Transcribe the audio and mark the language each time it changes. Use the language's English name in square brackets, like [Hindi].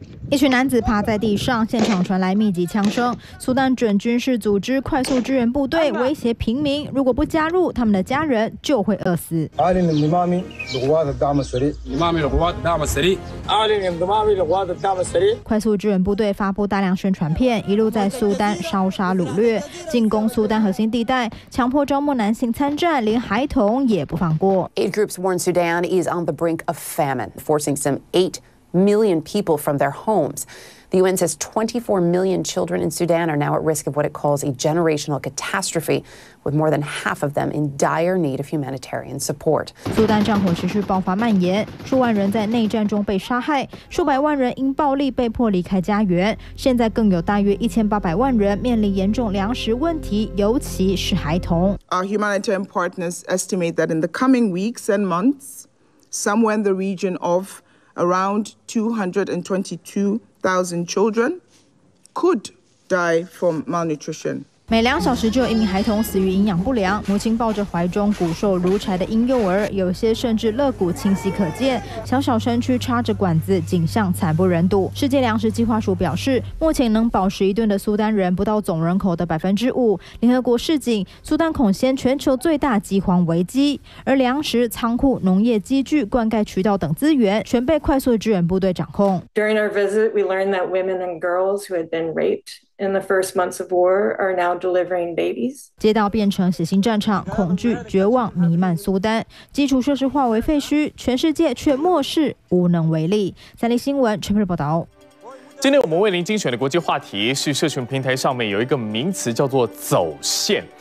[Chinese] 一群男子趴在地上，现场传来密集枪声。苏丹准军事组织快速支援部队威胁平民，如果不加入，他们的家人就会饿死。快速支援部队发布大量宣传片，一路在苏丹烧杀掳掠，进攻苏丹核心地带，强迫招募男性参战，连孩童也不放过。 [English] Aid groups warn Sudan is on the brink of famine, forcing some 8 million people from their homes. The UN says 24 million children in Sudan are now at risk of what it calls a generational catastrophe, with more than half of them in dire need of humanitarian support. [Chinese] 苏丹战火持续爆发蔓延，数万人在内战中被杀害，数百万人因暴力被迫离开家园。现在更有大约1800万人面临严重粮食问题，尤其是孩童。 [English] Our humanitarian partners estimate that in the coming weeks and months, somewhere in the region of around 222,000 children could die from malnutrition. [Chinese] 每两小时就有一名孩童死于营养不良。母亲抱着怀中骨瘦如柴的婴幼儿，有些甚至肋骨清晰可见，小小身躯插着管子，景象惨不忍睹。世界粮食计划署表示，目前能饱食一顿的苏丹人不到总人口的5%。联合国示警，苏丹恐掀全球最大饥荒危机，而粮食仓库、农业机具、灌溉渠道等资源全被快速支援部队掌控。 [English] During our visit, we learned that women and girls who had been raped in the first months of war are now delivering babies. [Chinese] 街道变成血腥战场，恐惧、绝望弥漫苏丹，基础设施化为废墟，全世界却漠视，无能为力。三立新闻全面报道。今天我们为您精选的国际话题是社群平台上面有一个名词叫做走线。